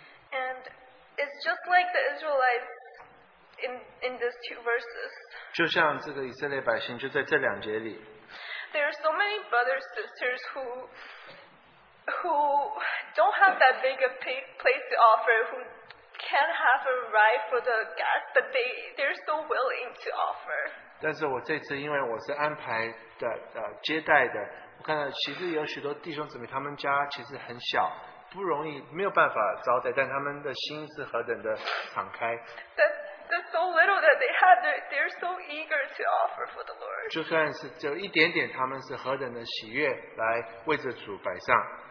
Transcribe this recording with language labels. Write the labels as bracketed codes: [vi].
[en] And it's just like the Israelites in these two verses. [zh] 就像这个以色列百姓就在这两节里。 [en] There are so many brothers and sisters who don't have that big a place to offer, who can't have a ride for the guests, but they're so willing to offer. [zh] 但是我这次因为我是安排的接待的，我看到其实有许多弟兄姊妹，他们家其实很小，不容易，没有办法招待，但他们的心是何等的敞开。 [en] The so little that they have, they're so eager to offer for the Lord. [zh] 就算是只有一点点，他们是何等的喜悦来为着主摆上。